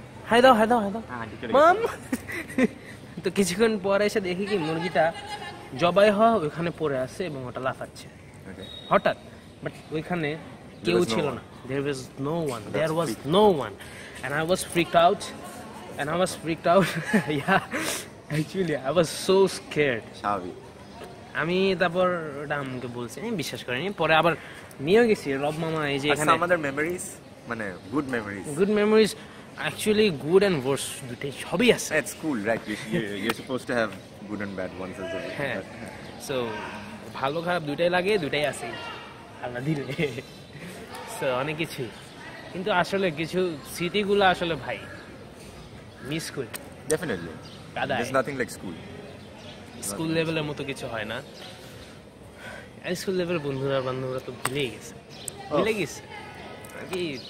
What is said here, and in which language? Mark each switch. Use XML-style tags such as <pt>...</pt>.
<bn>হায়দাও হায়দাও হায়দাও মাম তো কিছুক্ষণ পরে এসে দেখি কি মুরগিটা জবাই হওয়া ওইখানে পড়ে আছে এবং ওটা লাফাচ্ছে হঠাৎ বাট ওইখানে কেউ ছিল না</bn> <en>There was no one. And I was freaked out. Yeah. Actually, I was so scared. Shabby.</en> <bn>আমি তারপর ওটা আমাকে বলছি আমি বিশ্বাস করিনি পরে আবার নিয়েও গেছি রব মামা এই যে এখানে আমাদের মেমোরিজ মানে good memories</bn> <en>Actually, good and worse</en> <bn>দুটোই সবই আছে</bn> <en>at school right you're supposed to have good and bad ones as well</en> <bn>so ভালো খারাপ দুটোই লাগে দুটোই আছে আল্লাহ দিলে সো অনেক কিছু কিন্তু আসলে কিছু স্মৃতিগুলো আসলে ভাই মিস করি</bn> <en>definitely there's nothing like school</en> <bn>school লেভেলের মতো কিছু হয় না স্কুল লেভেল বন্ধুরা বান্ধবরা তো ভুলেই গেছে ভুলে গেছে কি</bn>